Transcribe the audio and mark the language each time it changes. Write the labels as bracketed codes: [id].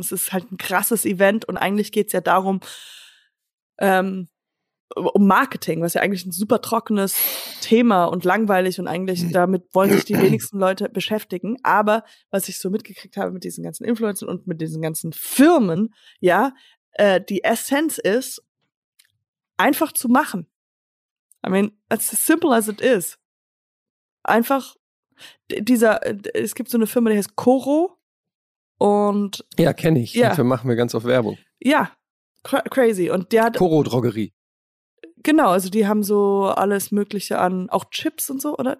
[de] Es ist halt ein krasses Event und eigentlich geht es ja darum, um Marketing, was ja eigentlich ein super trockenes Thema und langweilig und eigentlich damit wollen sich die wenigsten Leute beschäftigen. Aber was ich so mitgekriegt habe mit diesen ganzen Influencern und mit diesen ganzen Firmen, ja, die Essenz ist, einfach zu machen. [en] I mean, it's as simple as it is. [de] Einfach dieser, es gibt so eine Firma, die heißt Koro. Und ja, kenne ich. Ja. Dafür machen wir ganz oft Werbung. Ja, crazy. Und der hat Koro Drogerie. Genau, also die haben so alles Mögliche an, auch Chips und so, oder?